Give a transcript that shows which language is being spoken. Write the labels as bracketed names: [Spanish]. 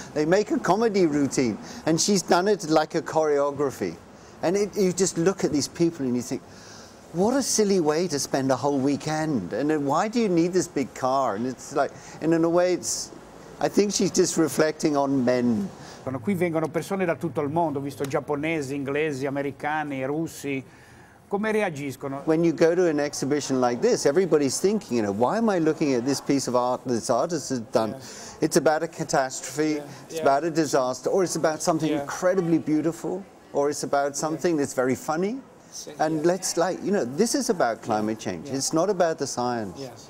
[English] They make a comedy routine. And she's done it like a choreography. And it, you just look at these people and you think, what a silly way to spend a whole weekend. And then why do you need this big car? And it's like, and in a way, it's, I think she's just reflecting on men. [Italian] Qui vengono persone da tutto il mondo, visto giapponesi, inglesi, americani, russi. Come reagiscono? [English] When you go to an exhibition like this, everybody's thinking, you know, why am I looking at this piece of art this artist has done? Yes. It's about a catastrophe, about a disaster, or it's about something incredibly beautiful, or it's about something that's very funny. And let's, like, you know, this is about climate change. It's not about the science.